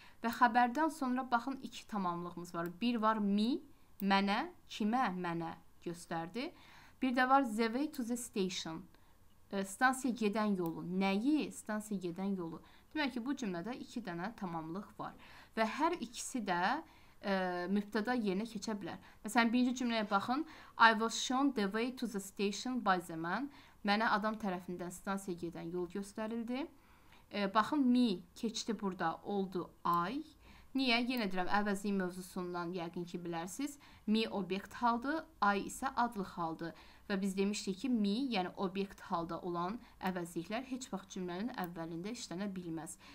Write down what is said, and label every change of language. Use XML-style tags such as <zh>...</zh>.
<az>Və xəbərdən sonra baxın, iki tamamlığımız var. Bir var me, mənə, kimə mənə göstərdi. Bir də var</az> <en>the way to the station.</en> <az>Stansiya gedən yolu. Nəyi? Stansiya gedən yolu. Demək ki, bu cümlədə iki dənə tamamlıq var. Və hər ikisi də mübtəda yerinə keçə bilər. Məsələn, birinci cümləyə baxın.</az> <en>I was shown the way to the station by the man.</en> <az>Mənə adam tərəfindən stansiyaya gedən yol göstərildi. Baxın, me keçdi burada, oldu I. Niyə? Yenə deyirəm, əvəzi mövzusundan yəqin ki, bilərsiniz. Me obyekt haldı, I isə adlıq haldı. Və biz demişdik ki, me, yəni obyekt halda olan əvəziliklər heç vaxt cümlənin əvvəlində işlənə bilməz.</az>